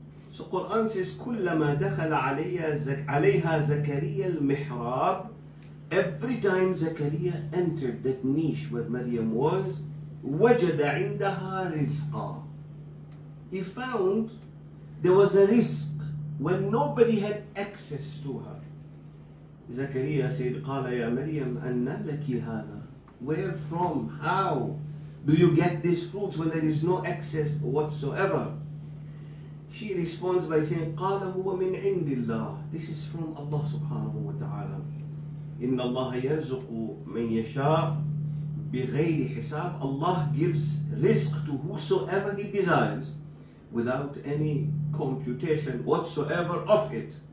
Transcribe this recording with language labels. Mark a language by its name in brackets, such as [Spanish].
[English] So Quran says, [Arabic] كُلَّمَا دَخَلَ عَلَيْهَا زَكَرِيَا الْمِحْرَابِ [English] Every time Zakaria entered that niche where Maryam was, [Arabic] وَجَدَ عِنْدَهَا رِزْقًا [English] He found there was a risk when nobody had access to her. Zakaria said, [Arabic] قَالَ يَا مَرْيَمْ أَنَّا لَكِ هَذَا [English] Where from? How do you get these fruits when there is no access whatsoever? She responds by saying, [Arabic] قَالَ هُوَ مِنْ عِنْدِ اللَّهِ [English] This is from Allah subhanahu wa ta'ala. [Arabic] إِنَّ اللَّهَ يَرْزُقُ مَنْ يَشَاءُ بِغَيْرِ حِسَابٍ [English] Allah gives risk to whosoever he desires without any computation whatsoever of it.